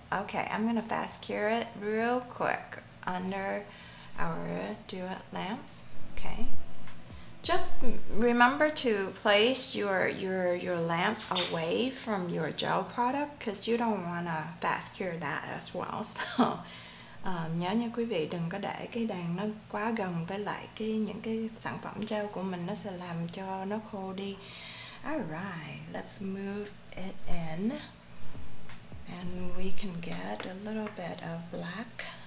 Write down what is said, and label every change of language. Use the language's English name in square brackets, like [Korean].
[English] Okay, I'm gonna fast cure it real quick under our duet lamp. Okay. Just remember to place your lamp away from your gel product because you don't wanna fast cure that as well. [Vietnamese] So nhớ nha quý vị, đừng có để cái đèn nó quá gần với lại cái những cái sản phẩm gel của mình, nó sẽ làm cho nó khô đi. [English] Alright, let's move it in. And we can get a little bit of black.